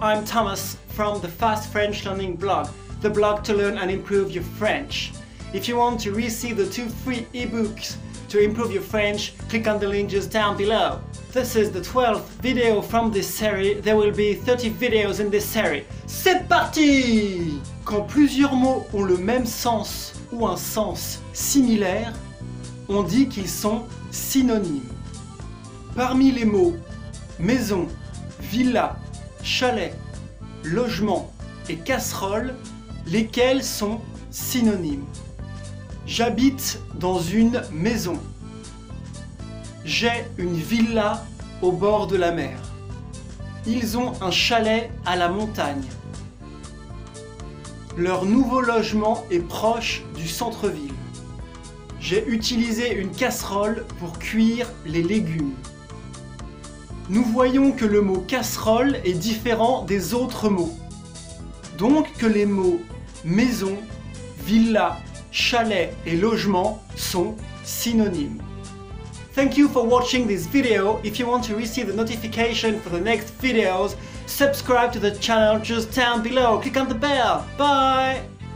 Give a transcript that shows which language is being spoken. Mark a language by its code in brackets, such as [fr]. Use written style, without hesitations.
[en] I'm Thomas from the Fast French Learning blog, the blog to learn and improve your French. If you want to receive the two free ebooks to improve your French, click on the link just down below. This is the 12th video from this series. There will be 30 videos in this series. C'est parti! [fr] Quand plusieurs mots ont le même sens ou un sens similaire, on dit qu'ils sont synonymes. Parmi les mots maison, villa, chalet, logement et casserole, lesquels sont synonymes? J'habite dans une maison. J'ai une villa au bord de la mer. Ils ont un chalet à la montagne. Leur nouveau logement est proche du centre-ville. J'ai utilisé une casserole pour cuire les légumes. Nous voyons que le mot casserole est différent des autres mots. Donc que les mots maison, villa, chalet et logement sont synonymes. [en] Thank you for watching this video. If you want to receive the notification for the next videos, subscribe to the channel just down below. Click on the bell. Bye!